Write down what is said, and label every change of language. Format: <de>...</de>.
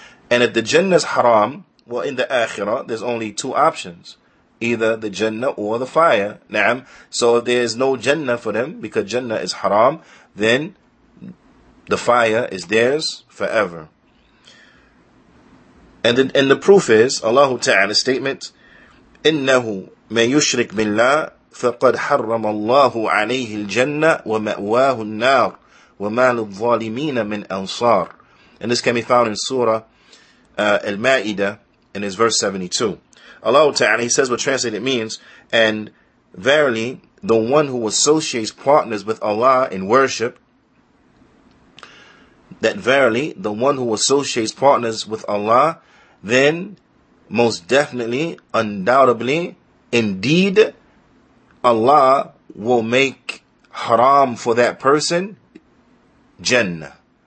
<en>And if the Jannah is haram, well, in the Akhirah, there's only two options. Either the Jannah or the fire. Naam. So if there is no Jannah for them, because Jannah is haram, then the fire is theirs forever. And the proof is, Allah Ta'ala's statement,</en> <ar>إِنَّهُ مَن يُشْرِكْ بِاللَّهِ فَقَدْ حَرَّمَ اللَّهُ عَلَيْهِ الْجَنَّةِ وَمَأْوَاهُ النَّارِ وَمَا لِلظَّالِمِينَ مِنْ أَنصَارِ.</ar> <en>And this can be found in Surah Al-Ma'idah, and it's verse 72. Allah Ta'ala, he says what translated means, and verily, the one who associates partners with Allah in worship, that verily, the one who associates partners with Allah, then most definitely, undoubtedly, indeed, Allah will make haram for that person, Jannah.</en>